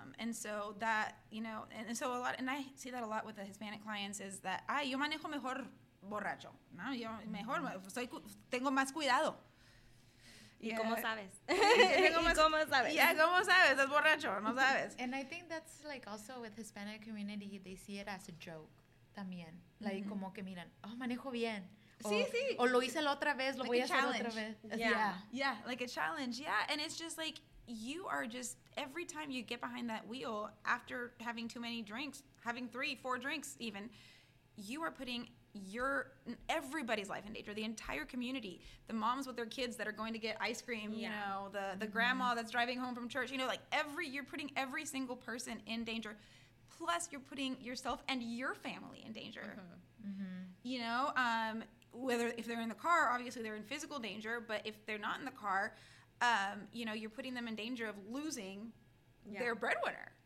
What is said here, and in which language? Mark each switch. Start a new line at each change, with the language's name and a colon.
English: And so that, you know, and so a lot, and I see that a lot with the Hispanic clients is that,
Spanish: yo manejo mejor borracho, ¿no? Yo mejor, tengo más cuidado. ¿Y cómo sabes? ¿Cómo sabes? Es borracho, no sabes.
English: And I think that's, like, also with Hispanic community, they see it as a joke también.
Spanish: Like, como que miran, oh, manejo bien. O lo hice la otra vez, lo like voy a hacer otra vez.
English: Like a challenge, and it's just like, you are just, every time you get behind that wheel after having too many drinks, having three, four drinks even, you are putting everybody's life in danger, the entire community, the moms with their kids that are going to get ice cream, you know, the grandma that's driving home from church, you know, like you're putting every single person in danger, plus you're putting yourself and your family in danger, you know, whether if they're in the car, obviously they're in physical danger, but if they're not in the car, you know, you're putting them in danger of losing their breadwinner.